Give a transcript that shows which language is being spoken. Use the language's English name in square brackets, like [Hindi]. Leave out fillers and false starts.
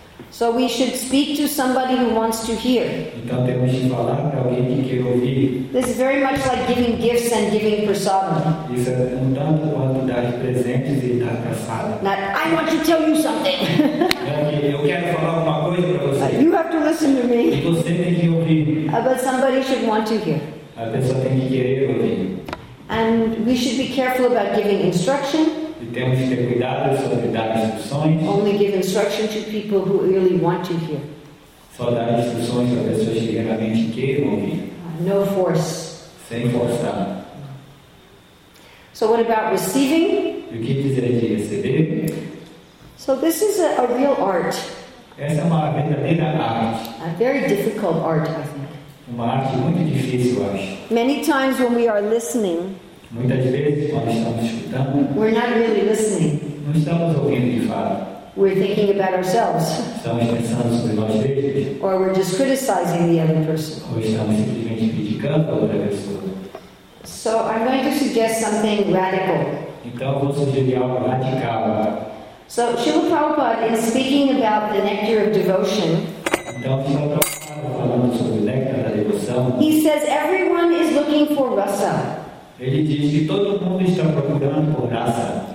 [English] So we should speak to somebody who wants to hear. [Portuguese] Então temos que falar para alguém que quer ouvir. [English] This is very much like giving gifts and giving prasadam. [Portuguese] Isso é um tanto quanto dar presentes e dar prasada. [English] Not, I want to tell you something. [Portuguese] Eu quero falar uma coisa para você. [English] You have to listen to me. [Portuguese] E você tem que ouvir. [English] But somebody should want to hear. [Portuguese] A pessoa tem que querer ouvir. [English] And we should be careful about giving instruction. [Portuguese] E temos que ter cuidado sobre dar instruções. [English] Only give instruction to people who really want to hear. [Portuguese] Só dar instruções a pessoas que realmente querem ouvir. [English] No force. [Portuguese] Sem forçar. [English] So what about receiving? [Portuguese] E o que dizer de receber? [English] So this is a real art. [Portuguese] Essa é uma verdadeira arte. [English] A very difficult art, I think. [Portuguese] Uma arte muito difícil, acho. [English] Many times when we are listening, [Portuguese] muitas vezes quando estamos escutando, [English] we're not really listening. [Portuguese] Não estamos ouvindo de fato. [English] We're thinking about ourselves. [Portuguese] Estamos pensando sobre nós mesmos. [English] Or we're just criticizing the other person. [Portuguese] Ou estamos simplesmente criticando a outra pessoa. [English] So I'm going to suggest something radical. [Portuguese] Então vou sugerir algo radical. [English] So Srila Prabhupada, in speaking about the nectar of devotion, he says everyone is looking for rasa. [Portuguese] Ele diz que todo mundo está procurando por rasa.